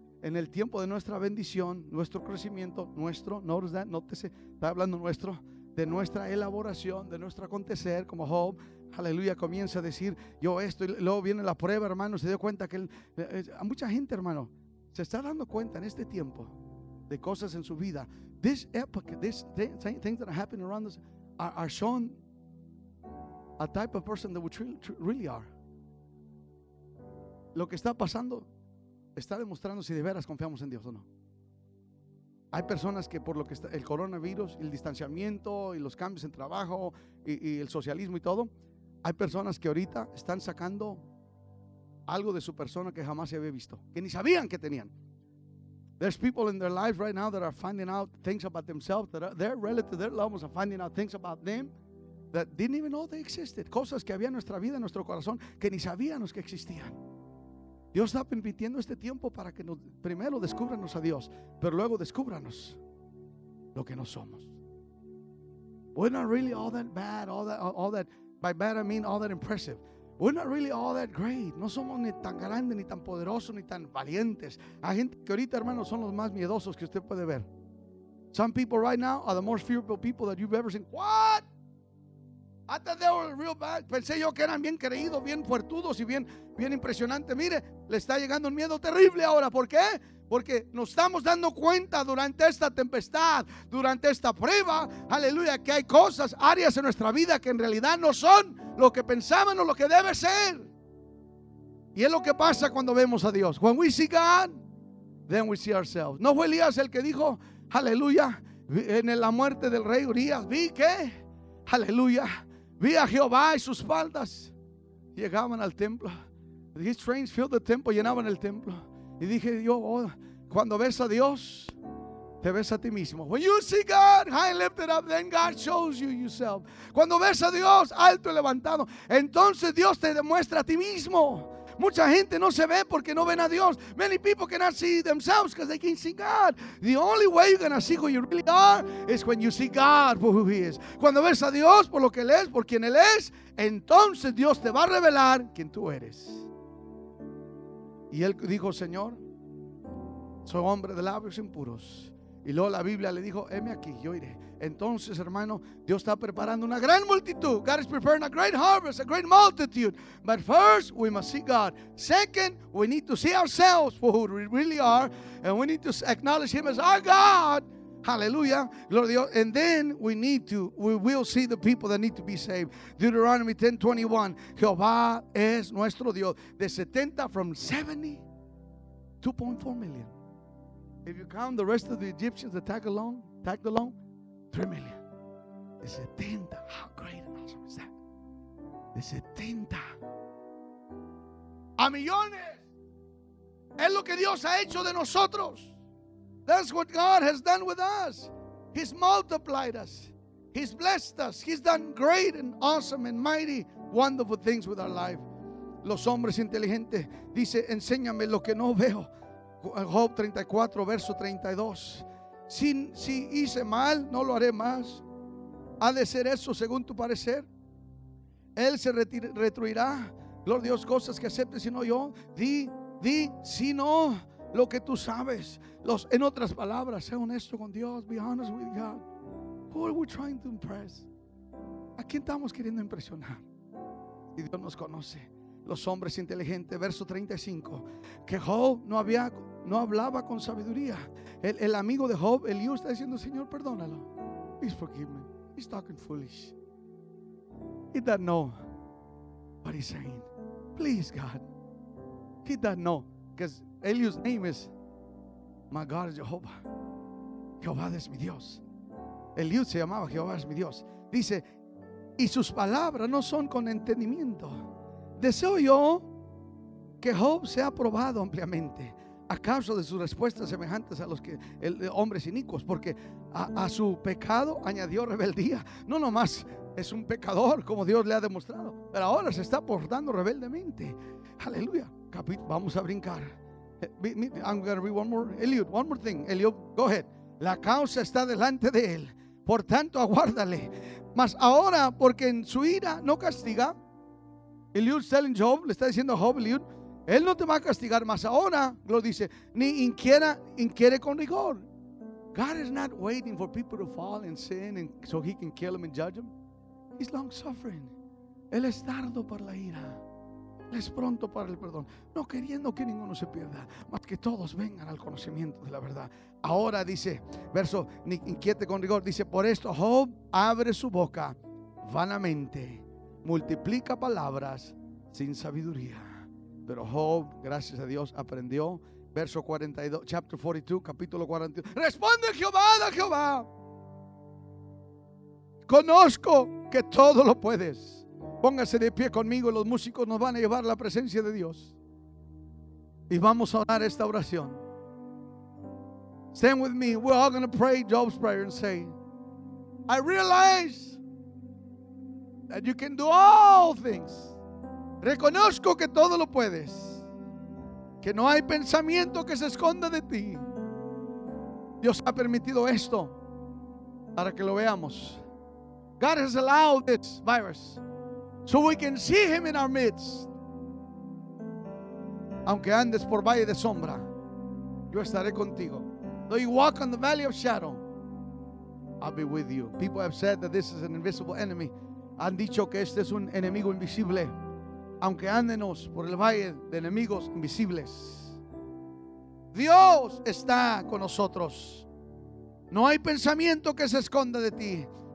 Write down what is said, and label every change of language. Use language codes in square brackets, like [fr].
[es] En el tiempo de nuestra bendición, nuestro crecimiento, nuestro, [en] notice that, [es] nótese, está hablando nuestro, de nuestra elaboración, de nuestro acontecer, como Job, aleluya, comienza a decir, yo esto, y luego viene la prueba, hermano, se dio cuenta que, a mucha gente, hermano, se está dando cuenta en este tiempo de cosas en su vida. [en] This epoch, these things that are happening around us are showing a type of person that we really are. [es] Lo que está pasando está demostrando si de veras confiamos en Dios o no. Hay personas que por lo que está, el coronavirus, el distanciamiento y los cambios en trabajo y el socialismo y todo, hay personas que ahorita están sacando algo de su persona que jamás se había visto, que ni sabían que tenían. [en] There's people in their lives right now that are finding out things about themselves, that are, their relatives, their loved ones are finding out things about them that didn't even know they existed. [es] Cosas que había en nuestra vida, en nuestro corazón, que ni sabíamos que existían. Dios está permitiendo este tiempo para que nos, primero descúbranos a Dios, pero luego descúbranos lo que no somos. [en] We're not really all that bad, all that, by bad I mean all that impressive. We're not really all that great. [es] No somos ni tan grandes, ni tan poderosos, ni tan valientes. Hay gente que ahorita, hermano, son los más miedosos que usted puede ver. [en] Some people right now are the most fearful people that you've ever seen. What? I thought they were real bad. [es] Pensé yo que eran bien creídos, bien fuertudos y bien impresionantes. Mire, le está llegando un miedo terrible ahora. ¿Por qué? Porque nos estamos dando cuenta durante esta tempestad, durante esta prueba, aleluya, que hay cosas, áreas en nuestra vida que en realidad no son lo que pensaban o lo que debe ser. Y es lo que pasa cuando vemos a Dios. [en] When we see God, then we see ourselves. [es] ¿No fue Elías el que dijo, aleluya, en la muerte del rey Urías, vi que, aleluya, vi a Jehová y sus faldas? Llegaban al templo. [en] His trains filled the temple, [es] llenaban el templo. Y dije yo, oh, cuando ves a Dios, te ves a ti mismo. [en] When you see God, high lifted up, then God shows you yourself. [es] Cuando ves a Dios, alto y levantado, entonces Dios te demuestra a ti mismo. Mucha gente no se ve porque no ven a Dios. [en] Many people cannot see themselves because they can't see God. The only way you're going to see who you really are is when you see God for who he is. [es] Cuando ves a Dios por lo que él es, por quien él es, entonces Dios te va a revelar quién tú eres. Y él dijo, Señor, soy hombre de labios impuros. Y luego la Biblia le dijo, heme aquí, yo iré. Entonces, hermano, Dios está preparando una gran multitud. [en] God is preparing a great harvest, a great multitude. But first, we must see God. Second, we need to see ourselves for who we really are. And we need to acknowledge him as our God. Hallelujah. Glory to Dios. And then we will see the people that need to be saved. [es] Deuteronomy 10:21. Jehová es nuestro Dios. De 70, [en] from 70, 2.4 million. If you count the rest of the Egyptians that tagged along, 3 million. [es] De 70. [en] How great and how person is that? [es] De 70 a millones. Es lo que Dios ha hecho de nosotros. [en] That's what God has done with us. He's multiplied us. He's blessed us. He's done great and awesome and mighty, wonderful things with our life. [es] Los hombres inteligentes dice, enséñame lo que no veo. Job 34, verso 32. Si hice mal, no lo haré más. ¿Ha de ser eso según tu parecer? Él se retruirá. Gloria a Dios, cosas que acepte, sino yo. Di, si no, lo que tú sabes. En otras palabras, sé honesto con Dios. [en] Be honest with God. Who are we trying to impress? [es] ¿A quién estamos queriendo impresionar? Y Dios nos conoce. Los hombres inteligentes, verso 35. Que Job no hablaba con sabiduría. El amigo de Job, Eliú, está diciendo, Señor, perdónalo. [en] Please forgive me. He's talking foolish. He doesn't know what he's saying. Please, God. He doesn't know. Because Eliú's name is my God is Jehovah. [es] Jehová es mi Dios. Eliú se llamaba Jehová es mi Dios. Dice, y sus palabras no son con entendimiento. Deseo yo que Job sea probado ampliamente a causa de sus respuestas semejantes a los que hombres inicuos, porque a su pecado añadió rebeldía. No nomás es un pecador como Dios le ha demostrado, pero ahora se está portando rebeldemente. Aleluya. Vamos a brincar. [en] I'm going to read one more. Eliud, one more thing. Eliud, go ahead. [es] La causa está delante de él, por tanto aguárdale. Mas ahora, porque en su ira no castiga, [en] Eliud telling Job, [es] le está diciendo a Job, Eliud, él no te va a castigar más ahora, lo dice, ni inquiere con rigor. [en] God is not waiting for people to fall in sin and so he can kill them and judge them. He's long suffering. [es] Él es tardo para la ira. Él es pronto para el perdón. No queriendo que ninguno se pierda, más que todos vengan al conocimiento de la verdad. Ahora dice, verso, ni inquiete con rigor, dice, por esto Job abre su boca vanamente. Multiplica palabras sin sabiduría. Pero Job, gracias a Dios, aprendió. Verso 42, [en] chapter 42, [es] capítulo 42. Responde Jehová a Jehová. Conozco que todo lo puedes. Póngase de pie conmigo y los músicos nos van a llevar a la presencia de Dios. Y vamos a orar esta oración. Stand with me. [en] We're all going to pray Job's prayer and say, I realize that you can do all things. [es] Reconozco que todo lo puedes. Que no hay pensamiento que se esconda de ti. Dios ha permitido esto para que lo veamos. [en] God has allowed this virus so we can see him in our midst. [es] Aunque andes por valle de sombra, yo estaré contigo. [en] Though you walk on the valley of shadow, I'll be with you. People have said that this is an invisible enemy. [es] Han dicho que este es un enemigo invisible. Aunque ándenos por el valle de enemigos invisibles, Dios está con nosotros. No hay pensamiento que se esconda de ti.